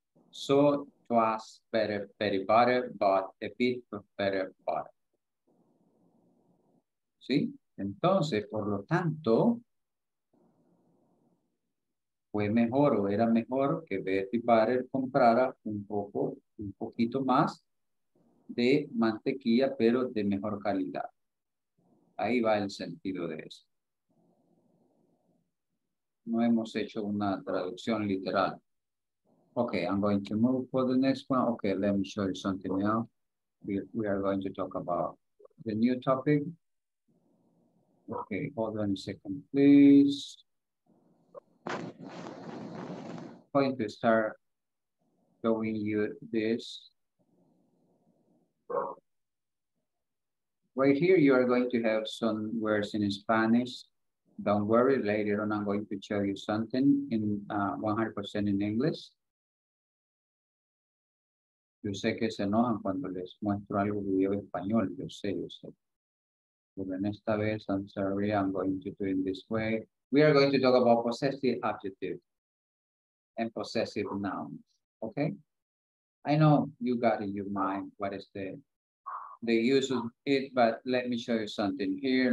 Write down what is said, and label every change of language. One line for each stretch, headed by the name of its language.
English: So, twas better butter, but a bit of better butter.
Spanish: ¿Sí? Entonces, por lo tanto, fue mejor o era mejor que Betty Butter comprara un poquito más de mantequilla, pero de mejor calidad. Ahí va el sentido de eso. No hemos hecho una traducción literal.
English: Okay, I'm going to move for the next one. Okay, let me show you something now. We are going to talk about the new topic. Okay, hold on a second, please. I'm going to start showing you this. Right here, you are going to have some words in Spanish. Don't worry, later on I'm going to show you something in 100% in English.
Spanish: Yo sé que se enojan cuando les muestro algo que digo en español, yo sé. Pero en esta vez,
English: I'm sorry, I'm going to do it this way. We are going to talk about possessive adjectives and possessive nouns, okay? I know you got in your mind what is the use of it, but let me show you something here.